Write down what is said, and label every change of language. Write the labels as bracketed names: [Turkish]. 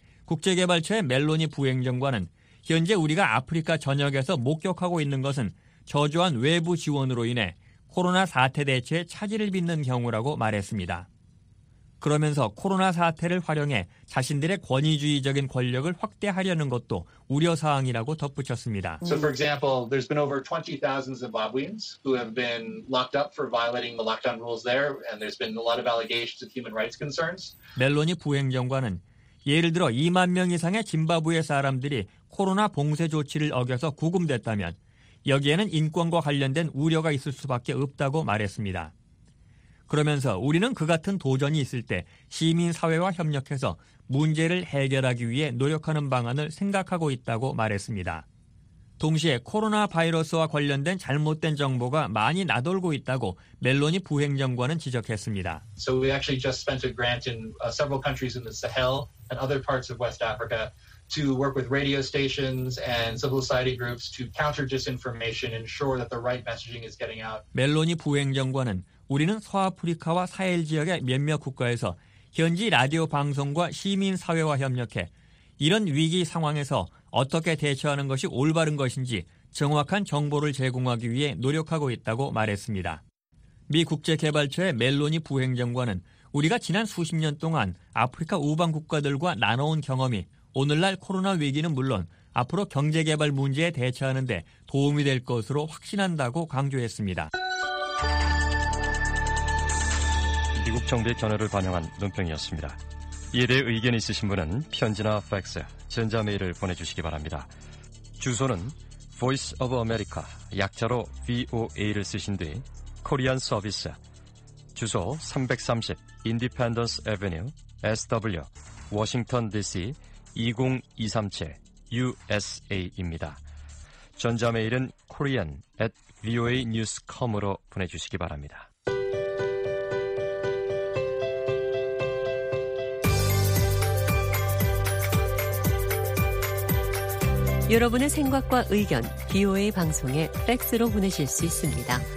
[Korean] 국제개발처의 멜로니 부행정관은 현재 우리가 아프리카 전역에서 목격하고 있는 것은 저조한 외부 지원으로 인해 코로나 사태 대처에 차질을 빚는 경우라고 말했습니다. 그러면서 코로나 사태를 활용해 자신들의 권위주의적인 권력을 확대하려는 것도 우려사항이라고 덧붙였습니다. [English] So for example, there's been over 20,000 Zimbabweans who have been locked up for violating the lockdown rules there, and there's been a lot of allegations of human rights concerns. [Korean] 멜로니 부행정관은 예를 들어 2만 명 이상의 짐바브웨 사람들이 코로나 봉쇄 조치를 어겨서 구금됐다면 여기에는 인권과 관련된 우려가 있을 수밖에 없다고 말했습니다. 그러면서 우리는 그 같은 도전이 있을 때 시민사회와 협력해서 문제를 해결하기 위해 노력하는 방안을 생각하고 있다고 말했습니다. 동시에 코로나 바이러스와 관련된 잘못된 정보가 많이 나돌고 있다고 멜로니 부행정관은 지적했습니다. So we actually just spent a grant in several countries in the Sahel and other parts of West Africa to work with radio stations and civil society groups to counter disinformation and ensure that the right messaging is getting out. 멜로니 부행정관은 우리는 서아프리카와 사헬 지역의 몇몇 국가에서 현지 라디오 방송과 시민 사회와 협력해 이런 위기 상황에서 어떻게 대처하는 것이 올바른 것인지 정확한 정보를 제공하기 위해 노력하고 있다고 말했습니다. 미 국제개발처의 멜로니 부행정관은 우리가 지난 수십 년 동안 아프리카 우방 국가들과 나눠온 경험이 오늘날 코로나 위기는 물론 앞으로 경제개발 문제에 대처하는 데 도움이 될 것으로 확신한다고 강조했습니다. 미국 정부의 견해를 반영한 논평이었습니다. 이에 대해 의견이 있으신 분은 편지나 팩스, 전자메일을 보내주시기 바랍니다. 주소는 Voice of America, 약자로 VOA를 쓰신 뒤 Korean Service, 주소 330 Independence Avenue, SW, Washington DC 20237, USA입니다. 전자메일은 korean@voanews.com으로 보내주시기 바랍니다. 여러분의 생각과 의견, VOA 방송에 팩스로 보내실 수 있습니다.